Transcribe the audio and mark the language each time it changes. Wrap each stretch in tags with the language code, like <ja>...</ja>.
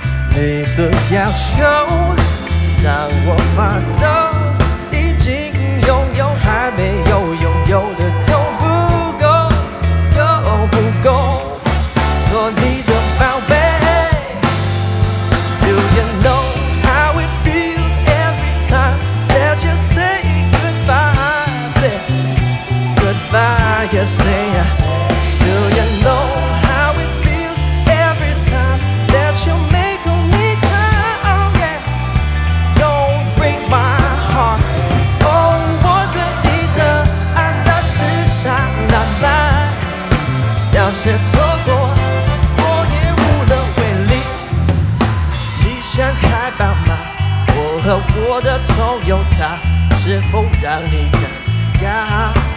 <zh>你的要求让我发抖，已经拥有还没有拥有的都不够，够不够做你的宝贝。</zh> <en>Do you know how it feels every time that you say goodbye, say goodbye. Yes, yes. Do you know how it feels every time that you make me cry? Oh yeah, don't break my heart.</en> <zh>Oh, 我的一个爱在世上难耐，要是错过我也无能为力。你想开宝马，我和我的 Toyota 是否让你尴尬？</zh>